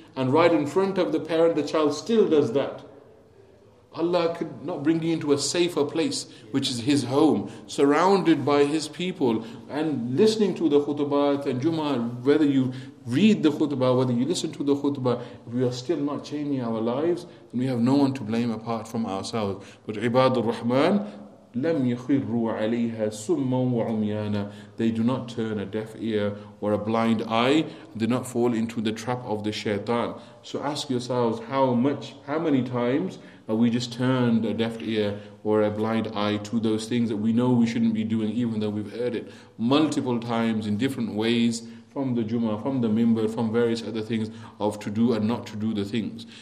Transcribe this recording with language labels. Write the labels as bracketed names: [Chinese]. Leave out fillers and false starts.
[English] And right in front of the parent, the child still does that. Allah could not bring you into a safer place, which is His home, surrounded by His people, and listening to the khutbah and Jummah, whether you read the khutbah, whether you listen to the khutbah, if we are still not changing our lives, then we have no one to blame apart from ourselves. But Ibadur Rahman, [Arabic] لَمْ يَخِرُّوا عَلَيْهَا سُمَّا وَعُمْيَانًا. [English] They do not turn a deaf ear or a blind eye. Do not fall into the trap of the shaitan. So ask yourselves, how many times are we just turned a deaf ear or a blind eye to those things that we know we shouldn't be doing, even though we've heard it multiple times in different ways, from the Jummah, from the Mimbar, from various other things of to do and not to do the things.